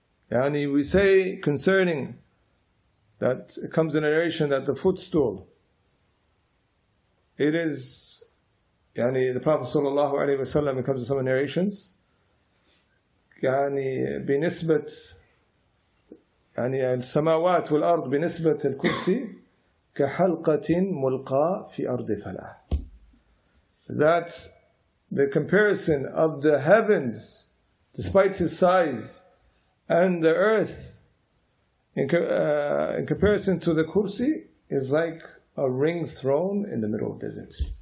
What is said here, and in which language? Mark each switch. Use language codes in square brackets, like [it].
[en] Yani we say concerning that it comes in a narration that the footstool, it is, yani the Prophet sallallahu alayhi wa sallam, it comes in some narrations, yani binisbat, [ar] يعني السماوات والأرض بنسبة الكرسي كحلقة ملقاة في أرض فلاح. [en] That the comparison of the heavens, despite his size, and the earth, in comparison to the kursi, is like a ring thrown in the middle of the desert.